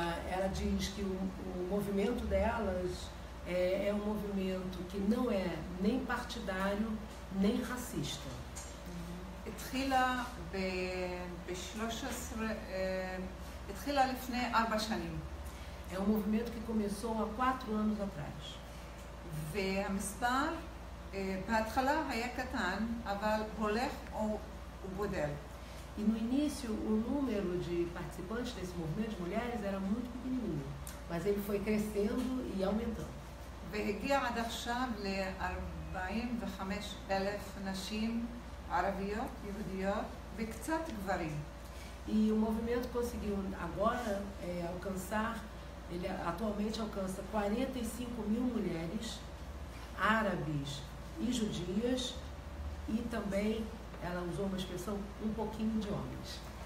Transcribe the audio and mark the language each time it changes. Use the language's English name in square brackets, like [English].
[Portuguese] Ela diz que o movimento delas é um movimento que não é nem partidário nem racista. [Hebrew] התחילה ב-13, התחילה לפני 4 שנים. [Portuguese] É um movimento que começou há 4 anos atrás. [Hebrew] והמספר בהתחלה היה קטן, אבל הולך וגודל. [Portuguese] E no início o número de participantes desse movimento de mulheres era muito pequenininho, mas ele foi crescendo e aumentando. [Hebrew] והגיע עד עכשיו ל-45,000 נשים ערביות, יהודיות וקצת גברים. [Portuguese] E o movimento conseguiu agora alcançar, ele atualmente alcança 45 mil mulheres árabes e judias, e também ela usou uma expressão um pouquinho de homens.